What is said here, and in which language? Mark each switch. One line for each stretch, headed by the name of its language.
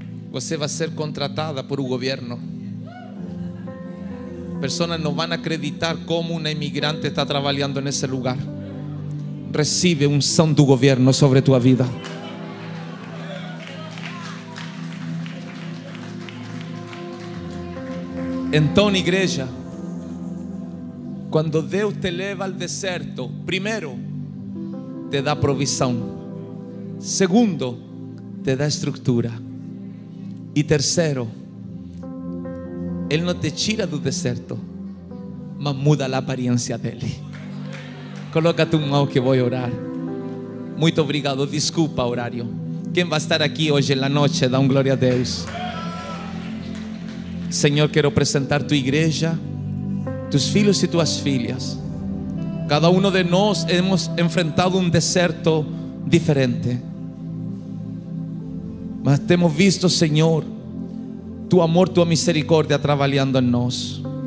Portuguese: Você
Spanish: va a ser contratada por un gobierno. Personas no van a acreditar cómo una inmigrante está trabajando en ese lugar. Recibe un son del gobierno sobre tu vida. Entonces, iglesia, cuando Dios te lleva al desierto, primero te da provisión, segundo te da estructura, y tercero, Él no te tira del desierto, mas muda la apariencia de Él. Coloca tu mano que voy a orar.
Portuguese: Muito obrigado,
Spanish: disculpa horario. ¿Quién va a estar aquí hoy en la noche? Da un gloria a Dios.
Portuguese: Senhor, quero apresentar tua igreja, tus filhos e tuas filhas. Cada um de nós
Spanish: hemos
Portuguese: enfrentado um deserto diferente, mas temos visto, Senhor, tu amor, tua misericórdia trabalhando em nós.